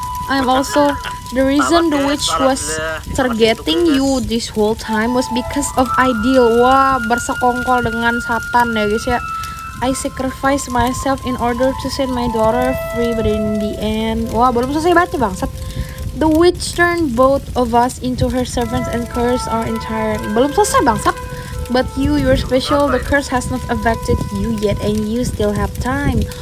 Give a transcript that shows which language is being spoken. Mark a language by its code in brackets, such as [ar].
[en] I'm also the reason the witch was targeting you this whole time was because of ideal. [id] Wah, bersekongkol dengan setan ya guys ya. [en] I sacrificed myself in order to set my daughter free, but in the end, [id] wah belum selesai banget bang. [en] The witch turned both of us into her servants and cursed our entire. [id] Belum selesai bang. [en] But you are special. The curse has not affected you yet, and you still have time.